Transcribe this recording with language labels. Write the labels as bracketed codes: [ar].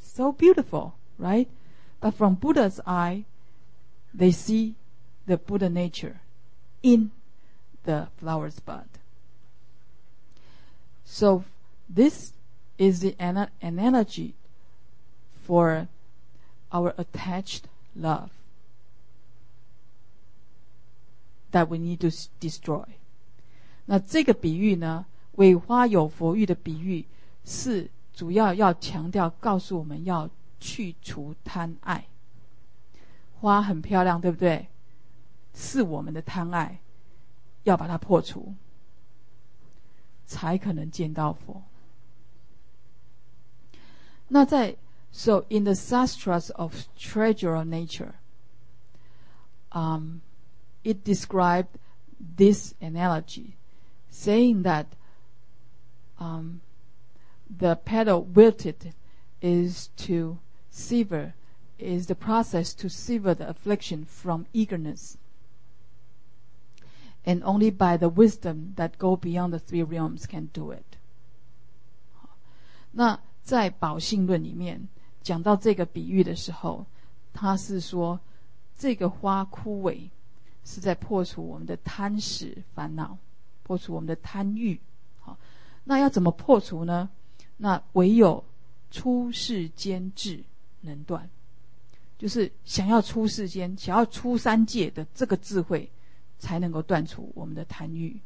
[en] So beautiful, right? But from Buddha's eye, they see the Buddha nature in the flower's bud. So this is the analogy for our attached love that we need to destroy. [zh] 那这个比喻呢，为花有佛喻的比喻，是主要要强调告诉我们要去除贪爱。花很漂亮，对不对？是我们的贪爱，要把它破除，才可能见到佛。那在 [en] So in the sastras of treasure of nature, it described this analogy, saying that the petal wilted is to sever, is the process to sever the affliction from eagerness. And only by the wisdom that go beyond the three realms can do it. [zh] 那在宝性论里面讲到这个比喻的时候，他是说这个花枯萎是在破除我们的贪食烦恼，破除我们的贪欲。那要怎么破除呢？那唯有出世间智能断，就是想要出世间，想要出三界的这个智慧，才能够断除我们的贪欲。